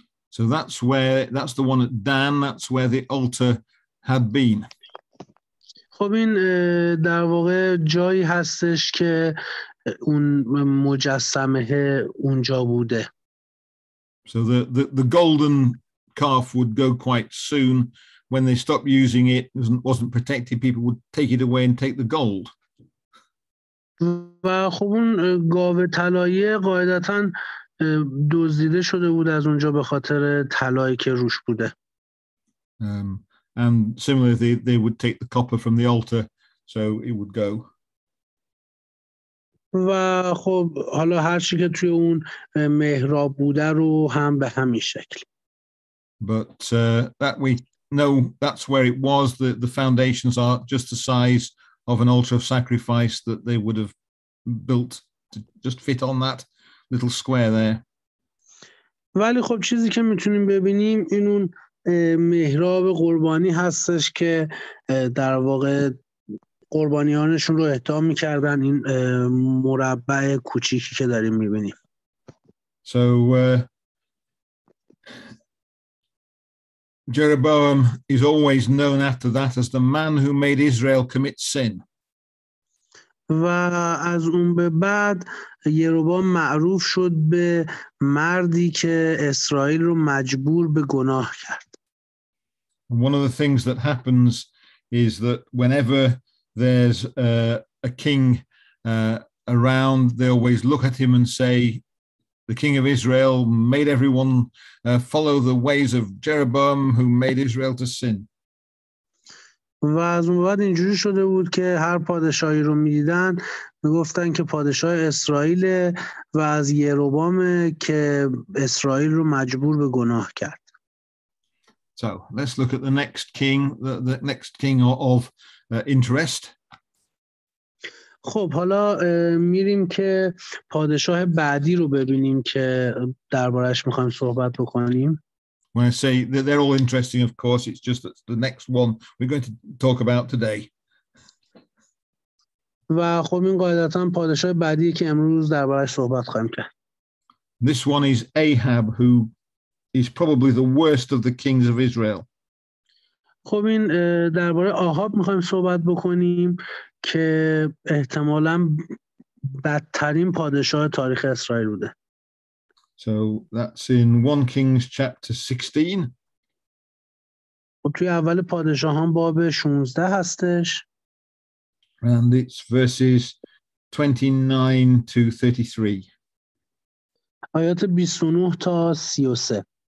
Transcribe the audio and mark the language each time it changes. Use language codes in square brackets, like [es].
[en] So that's the one at Dan, that's where the altar had been. [fa] خب این در واقع جایی هستش که اون مجسمه اونجا بوده. [en] So the golden calf would go quite soon when they stopped using it, wasn't protected, people would take it away and take the gold. [fa] و خب اون گاو طلایی قاعدتا دزدیده شده بود از اونجا به خاطر طلایی که روش بوده. [en] And similarly they would take the copper from the altar so it would go. [fa] و خب حالا هر چی که توی اون محراب بوده رو هم به همین شکل. [en] But that we know that's where it was. The foundations are just the size of an altar of sacrifice that they would have built to just fit on that little square there. [fa] ولی خب چیزی که میتونیم ببینیم این اون محراب قربانی هستش که در واقع قربانیانشون رو اهدا میکردن، این مربع کوچیکی که داریم میبینیم. [en] So Jeroboam is always known after that as the man who made Israel commit sin. [fa] و از اون به بعد یروبام معروف شد به مردی که اسرائیل رو مجبور به گناه کرد. [en] One of the things that happens is that whenever there's a king around, they always look at him and say, the king of Israel made everyone follow the ways of Jeroboam who made Israel to sin. [fa] و از اون بعد اینجوری شده بود که هر پادشاهی رو می‌دیدن می‌گفتن که پادشاه اسرائیل و از یروبام که اسرائیل رو مجبور به گناه کرد. [en] So, let's look at the next king, the next king of interest. [fa] خب حالا میریم که پادشاه بعدی رو ببینیم که دربارش میخوایم صحبت بکنیم. [en] When I say that they're all interesting, of course, it's just that the next one we're going to talk about today. [fa] و خب این قاعدتا پادشاه بعدی که امروز دربارش صحبت خواهیم کرد. [en] This one is Ahab, who is probably the worst of the kings of Israel. [fa] خب این درباره آهاب میخوایم صحبت بکنیم که احتمالاً بدترین پادشاه تاریخ اسرائیل بوده. [en] So that's in 1 Kings chapter 16. [fa] خب توی اول پادشاهان باب 16 هستش. [en] And it's verses 29 to 33. [fa] آیات 29 تا 33.